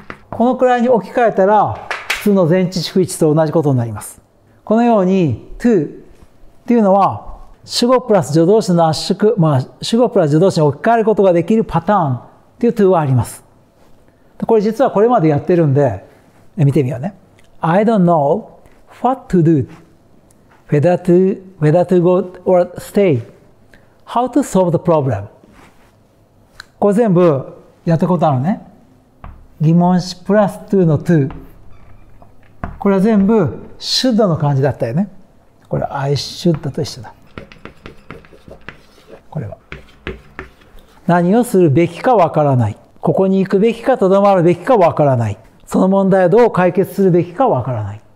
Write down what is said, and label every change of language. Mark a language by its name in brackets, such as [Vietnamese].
[Japanese] このくらいに置き換えたら普通の前置縮位置と同じことになります。このように to っていうのは主語プラス助動詞の圧縮、まあ主語プラス助動詞に置き換えることができるパターンっていう to はあります。これ実はこれまでやってるんで見てみようね。 [English] I don't know what to do whether to go or stay how to solve the problem。 [Japanese] これ全部やったことあるね。疑問詞プラス to の to、 これは全部 should の感じだったよね。これ [English] I should [Japanese] と一緒だ。これは何をするべきかわからない、ここに行くべきかとどまるべきかわからない、その問題をどう解決するべきかわからない。